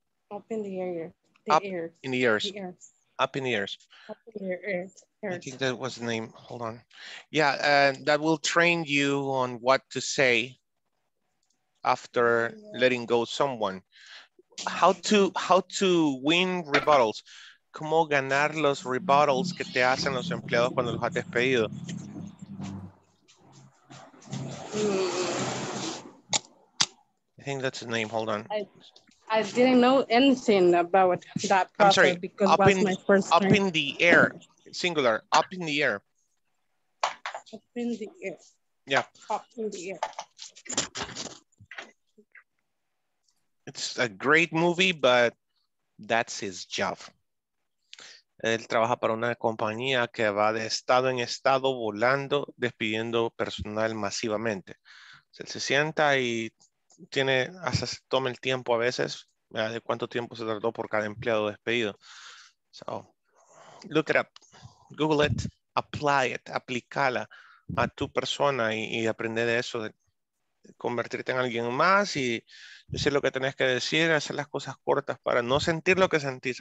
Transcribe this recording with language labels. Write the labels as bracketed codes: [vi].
[en] Up in the Airs. I think that was the name. Hold on. Yeah, that will train you on what to say after letting go someone. How to win rebuttals. [es] ¿Cómo ganar los rebuttals que te hacen los empleados cuando los has despedido? [en] I think that's the name. Hold on. I didn't know anything about that process. I'm sorry. Because up was in, my first up time. In the air, singular. Up in the air. Up in the air. Yeah. Up in the air. It's a great movie, but that's his job. [es] Él trabaja para una compañía que va de estado en estado volando, despidiendo personal masivamente. Él se sienta y tiene, hasta se toma el tiempo a veces, ¿verdad? De cuánto tiempo se tardó por cada empleado despedido. [en] So, look it up, Google it, apply it, [es] aplicala a tu persona y aprende de eso, de convertirte en alguien más y decir lo que tenés que decir, hacer las cosas cortas para no sentir lo que sentís.